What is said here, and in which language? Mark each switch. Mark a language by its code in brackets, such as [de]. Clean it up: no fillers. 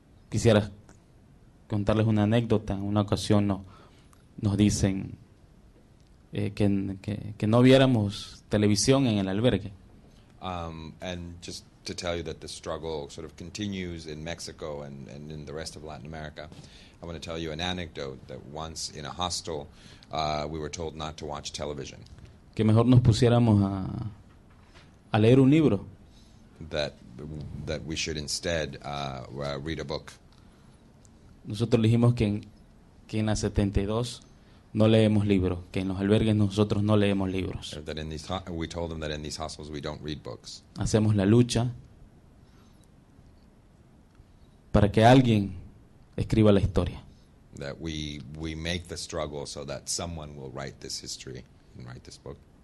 [es] Quisiera contarles una anécdota. En una ocasión nos dicen que no viéramos televisión en el albergue. [en] And just to tell you that the struggle sort of continues in Mexico and in the rest of Latin America, I want to tell you an anecdote that once in a hostel we were told not to watch television. [es] Que mejor nos pusiéramos a leer un libro. [en] That we should instead read a book. [es] Nosotros dijimos que en la 72 no leemos libros, que en los albergues nosotros no leemos libros. [en] We told them that in these hostels we don't read books. [es] Hacemos la lucha para que alguien escriba la historia. [en] That we make the struggle so that someone will write this history and write this book.